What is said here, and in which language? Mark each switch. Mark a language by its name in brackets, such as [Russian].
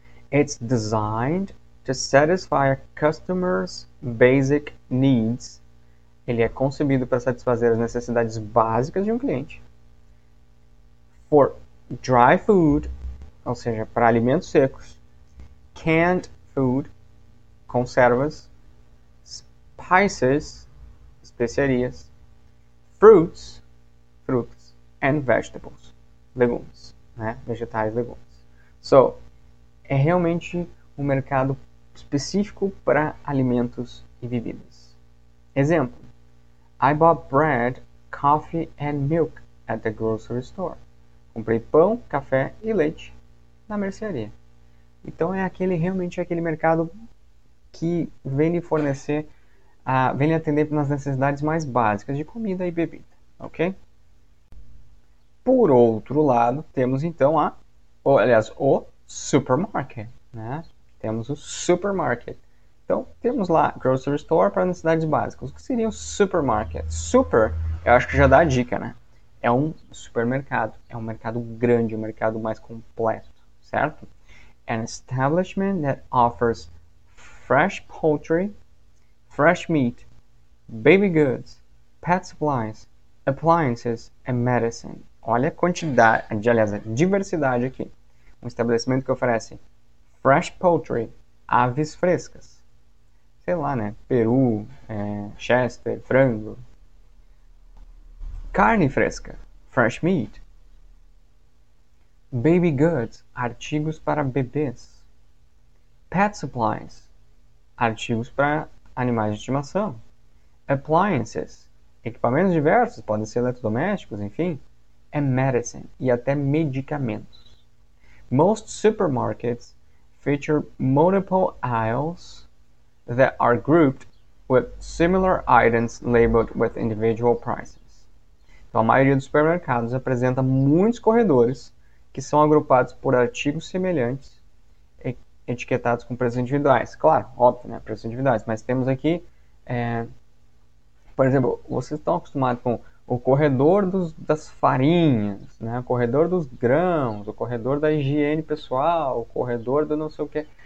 [English] It's designed to satisfy a customer's basic needs. [Portuguese] Ele é concebido para satisfazer as necessidades básicas de um cliente. [English] For dry food, [Portuguese] ou seja, para alimentos secos, [English] canned food, [Portuguese] conservas, spices, especiarias, frutas, [English] and vegetables, [Portuguese] legumes, né? Vegetais, legumes. So, é realmente um mercado específico para alimentos e bebidas. [English] Exemplo: I bought bread, coffee and milk at the grocery store. [Portuguese] Comprei pão, café e leite na mercearia. Então é aquele realmente aquele mercado que vem lhe fornecer, vem lhe atender nas necessidades mais básicas de comida e bebida, ok? Por outro lado, temos então a, ou, aliás, o supermarket, né? Temos o supermarket. Então, temos lá grocery store para necessidades básicas. O que seria o supermarket? Super, eu acho que já dá a dica, né? É um supermercado. É um mercado grande, um mercado mais completo, certo? [English] An establishment that offers fresh poultry, fresh meat, baby goods, pet supplies, appliances and medicine. [Portuguese] Olha a quantidade, aliás, a diversidade aqui. Um estabelecimento que oferece [English] fresh poultry, [Portuguese] aves frescas. Sei lá, né? Peru, Chester, frango. Carne fresca, [English] fresh meat. Baby goods, [Portuguese] artigos para bebês. [English] Pet supplies, [Portuguese] artigos para animais de estimação. Appliances, equipamentos diversos, podem ser eletrodomésticos, enfim. [English] And medicine, [Portuguese] e até medicamentos. [English] Most supermarkets feature multiple aisles that are grouped with similar items labeled with individual prices. [Portuguese] Então, a maioria dos supermercados apresenta muitos corredores que são agrupados por artigos semelhantes, etiquetados com preços individuais. Claro, óbvio, né? Preços individuais. Mas temos aqui, por exemplo, vocês estão acostumados com o corredor das farinhas, né? O corredor dos grãos, o corredor da higiene pessoal, o corredor do não sei o quê.